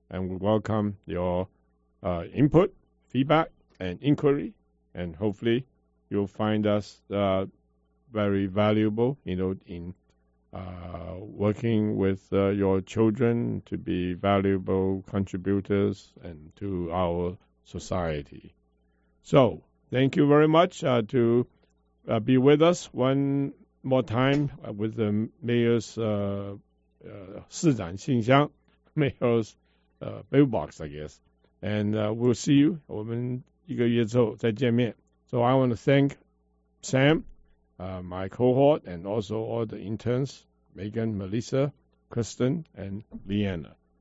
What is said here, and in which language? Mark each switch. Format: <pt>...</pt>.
<en>And we welcome your input, feedback, and inquiry, and hopefully you'll find us very valuable, in working with your children to be valuable contributors and to our society. So thank you very much to be with us one more time with the mayor's 市长信箱, mayor's mailbox, I guess. And we'll see you.</en> <zh>我们一个月之后再见面.</zh> <en>So I want to thank Sam, my cohort, and also all the interns, Megan, Melissa, Kristen, and Leanna.</en>